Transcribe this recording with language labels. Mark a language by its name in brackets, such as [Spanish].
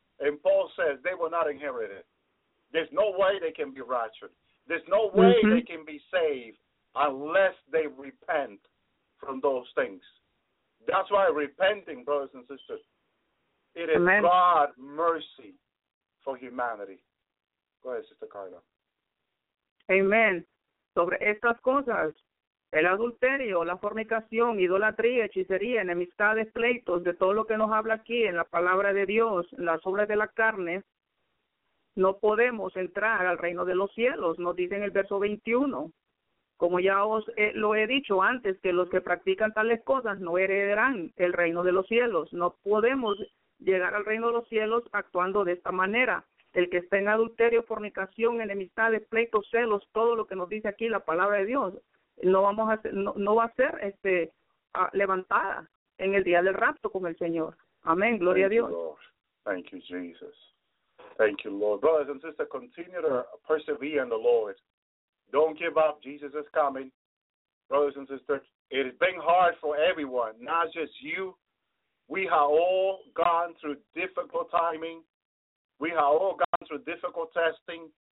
[English] And Paul says they will not inherit it. There's no way they can be raptured. There's no way they can be saved unless they repent from those things. That's why repenting, brothers and sisters, it is God's mercy for humanity. Go ahead, Sister Carla. [Spanish] Amén. Sobre estas cosas, el adulterio, la fornicación, idolatría, hechicería, enemistades, pleitos, de todo lo que nos habla aquí en la palabra de Dios, las obras de la carne, no podemos entrar al reino de los cielos, nos dice en el verso 21. Como ya os lo he dicho antes, que los que practican tales cosas no heredarán el reino de los cielos. No podemos llegar al reino de los cielos actuando de esta manera. El que está en adulterio, fornicación, enemistades, pleitos, celos, todo lo que nos dice aquí la palabra de Dios, no va a ser levantada en el día del rapto con el Señor. Amén. Gloria [English] Thank [Spanish] a Dios. [English] You, Lord. Thank you, Jesus. Thank you, Lord. Brothers and sisters, continue to persevere in the Lord. Don't give up. Jesus is coming. Brothers and sisters, it has been hard for everyone, not just you. We have all gone through difficult timing. We have all gone through difficult testing.